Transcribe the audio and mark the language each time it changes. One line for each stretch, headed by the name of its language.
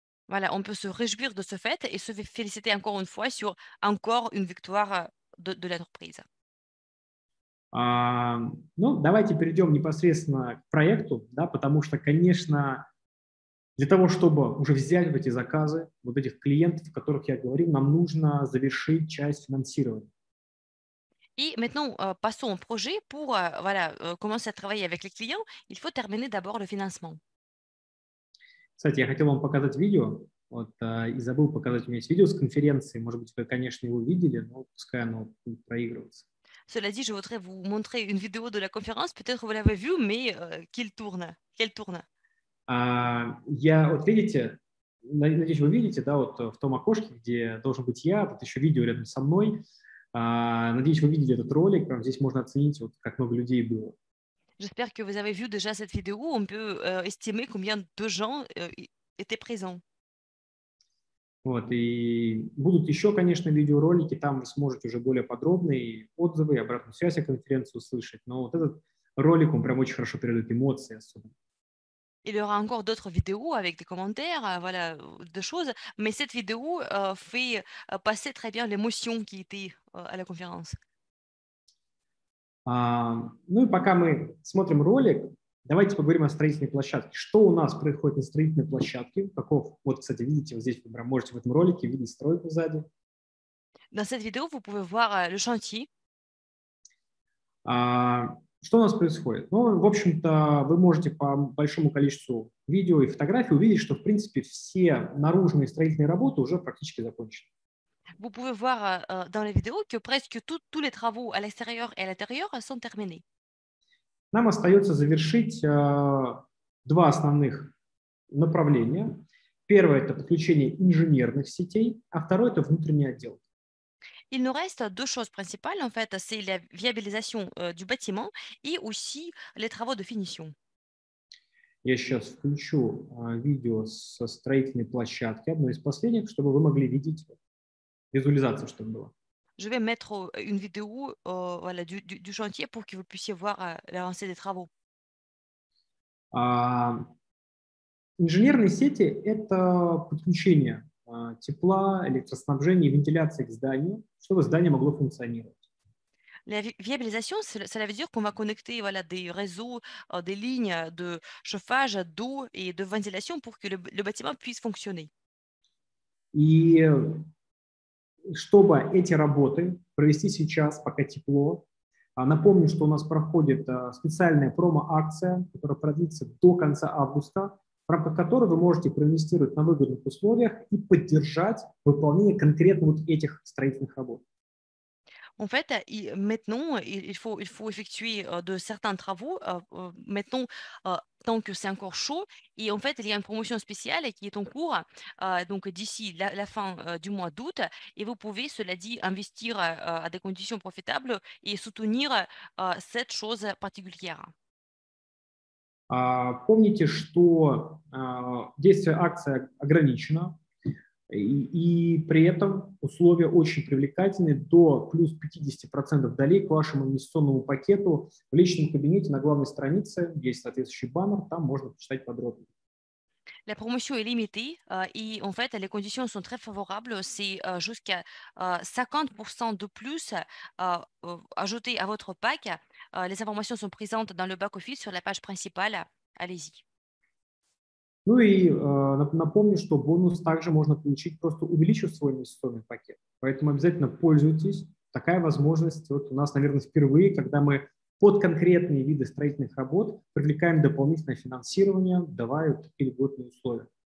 French: Voilà, on peut se réjouir de ce fait et se féliciter encore une fois sur encore une victoire de l'entreprise.
Russian: Ну, давайте перейдем непосредственно к проекту, да, потому что, конечно, для того, чтобы уже взять эти заказы, вот этих клиентов, о которых я говорил, нам нужно завершить часть финансирования. И
French: maintenant, passons au projet pour voilà, commencer à travailler avec les clients. Il faut terminer d'abord le financement.
Russian: Кстати, я хотел вам показать видео, вот, и забыл показать, у меня есть видео с конференции, может быть, вы, конечно, его видели, но пускай оно будет проигрываться.
French: Cela dit, je voudrais vous montrer une vidéo de la conférence, peut-être vous l'avez vu, mais qu'elle tourne.
Russian: Я, вот видите, надеюсь, вы видите, да, вот в том окошке, где должен быть я, тут еще видео рядом со мной, надеюсь, вы видели этот ролик, прям здесь можно оценить, вот, как много людей было.
French: J'espère que vous avez vu déjà cette vidéo. On peut estimer combien de gens étaient présents.
Russian: Вот, и будут еще, конечно, видеоролики. Там вы сможете уже более подробные отзывы и обратную связь о конференции услышать. Но вот этот ролик, он прям очень хорошо передает эмоции особенно.
French: Il y aura encore d'autres vidéos avec des commentaires, voilà, des choses. Mais cette vidéo fait passer très bien l'émotion qui était à la conférence.
Russian: Ну и пока мы смотрим ролик, давайте поговорим о строительной площадке. Что у нас происходит на строительной площадке? Каков? Вот, кстати, видите, вот здесь вы можете в этом ролике видеть стройку сзади. На этой видео вы можете
French: voir le chantier.
Russian: Что у нас происходит? Ну, в общем-то, вы можете по большому количеству видео и фотографий увидеть, что, в принципе, все наружные строительные работы уже практически закончены.
French: Vous pouvez voir dans les vidéos que presque tous les travaux à l'extérieur et à l'intérieur sont terminés.
Russian: Нам остается завершить два основных направления. Первое – это подключение инженерных сетей, а второе – это внутренний отдел.
French: Il nous reste deux choses principales, en fait, c'est la viabilisation du bâtiment et aussi les travaux de finition.
Russian: Я сейчас включу видео со строительной площадки, одно из последних, чтобы вы могли видеть визуализацию, чтобы было.
French: Je vais mettre une vidéo voilà, du chantier pour que vous puissiez voir l'avancée des travaux.
Russian: Инженерные сети – это подключение тепла, электроснабжения и вентиляции к зданию, чтобы здание могло функционировать.
French: La viabilisation, cela veut dire qu'on va connecter voilà, des réseaux, des lignes de chauffage, d'eau et de ventilation pour que le bâtiment puisse fonctionner.
Russian: И чтобы эти работы провести сейчас, пока тепло, напомню, что у нас проходит специальная промо-акция, которая продлится до конца августа, в рамках которой вы можете проинвестировать на выгодных условиях и поддержать выполнение конкретно вот этих строительных работ.
French: En fait, maintenant, il faut effectuer de certains travaux, maintenant, tant que c'est encore chaud. Et en fait, il y a une promotion spéciale qui est en cours, donc d'ici la fin du mois d'août. Et vous pouvez, cela dit, investir à des conditions profitables et soutenir cette chose particulière.
Russian: Помните, что действие акции ограничено, и при этом условия очень привлекательны, до плюс 50% долей к вашему инвестиционному пакету. В личном кабинете на главной странице есть соответствующий баннер, там можно почитать подробно.
French: La promotion est limitée et en fait, les conditions sont très favorables. C'est jusqu'à 50% de plus ajouté à votre pack. Les informations sont présentes dans le back-office sur la page principale. Allez-y.
Russian: Ну и напомню, что бонус также можно получить, просто увеличив свой инвестиционный пакет. Поэтому обязательно пользуйтесь. Такая возможность вот у нас, наверное, впервые, когда мы под конкретные виды строительных работ привлекаем дополнительное финансирование, давая такие льготные условия.